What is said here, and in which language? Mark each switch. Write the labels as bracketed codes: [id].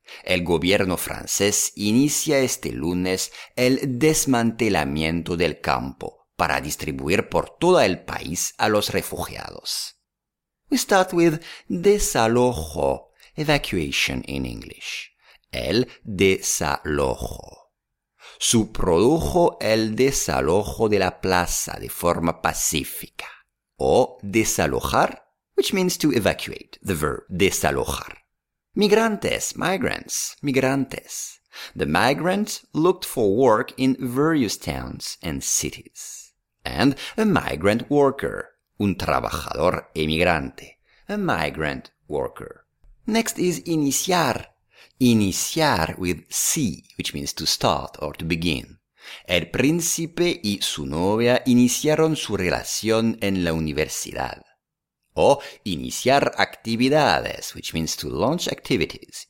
[es] El gobierno francés inicia este lunes el desmantelamiento del campo para distribuir por todo el país a los refugiados. [en] We start with desalojo, evacuation in English. [es] El desalojo. Su produjo el desalojo de la plaza de forma pacífica. [en] O desalojar, which means to evacuate, the verb desalojar. Migrantes, migrants, migrantes. The migrants looked for work in various towns and cities. And a migrant worker, [es] un trabajador emigrante, [en] a migrant worker. Next is iniciar. Iniciar with C, which means to start or to begin. [es] El príncipe y su novia iniciaron su relación en la universidad. [en] O iniciar actividades, which means to launch activities.